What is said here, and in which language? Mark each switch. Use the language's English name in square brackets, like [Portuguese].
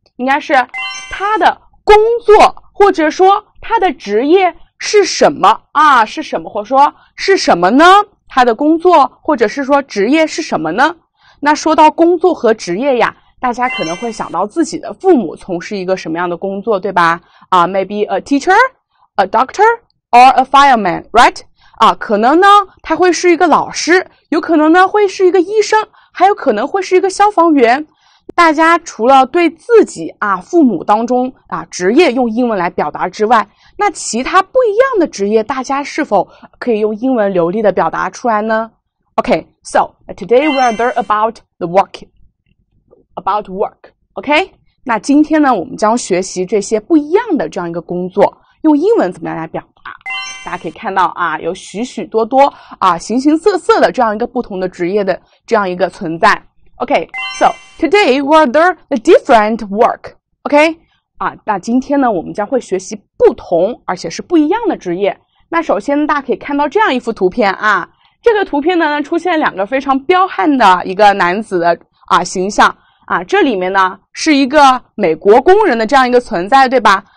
[Chinese] 应该是他的工作，或者说他的职业是什么啊？是什么？或者说是什么呢？他的工作或者是说职业是什么呢？那说到工作和职业呀，大家可能会想到自己的父母从事一个什么样的工作，对吧？ [English] 啊、maybe a teacher, a doctor, or a fireman, right? [Chinese] 啊，可能呢，他会是一个老师，有可能呢，会是一个医生，还有可能会是一个消防员。大家除了对自己啊父母当中啊职业用英文来表达之外，那其他不一样的职业，大家是否可以用英文流利的表达出来呢 ？ [English] OK, so today we are learn about the work. About work, OK? [Chinese] 那今天呢，我们将学习这些不一样的这样一个工作，用英文怎么样来表达？大家可以看到啊，有许许多多啊，形形色色的这样一个不同的职业的这样一个存在。 [English] OK, so today we are learn the different work, OK? [Chinese] 啊，那今天呢，我们将会学习不同而且是不一样的职业。那首先大家可以看到这样一幅图片啊，这个图片呢出现两个非常彪悍的一个男子的啊形象。啊，这里面呢是一个美国工人的这样一个存在，对吧？